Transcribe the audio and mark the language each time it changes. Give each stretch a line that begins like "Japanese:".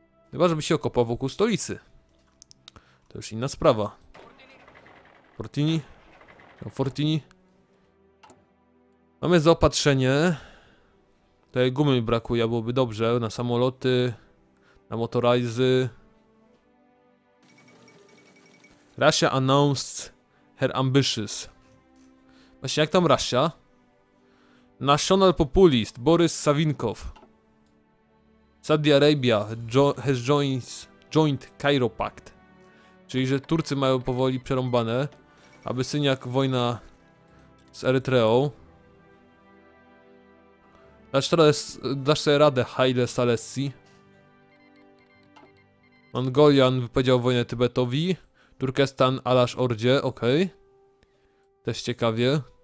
Polish: Chyba, żeby się okopał wokół stolicy. To już inna sprawa. Fortini? Mamy zaopatrzenie. Tej gumy mi brakuje, byłoby dobrze na samoloty, na motorizy.
English: Russia announced her ambitions.
Polish: Właśnie, jak tam Russia?
English: National populist Boris Savinkov. Saudi Arabia has joined Cairo Pact.
Polish: Czyli, że Turcy mają powoli przerąbane. Abysyniak wojna z Erytreą. Dasz sobie radę, Haile Selassie. Mongolian wypowiedział wojnę Tybetowi. Turkestan Alash Ordzie, okej. Okay. Też ciekawie.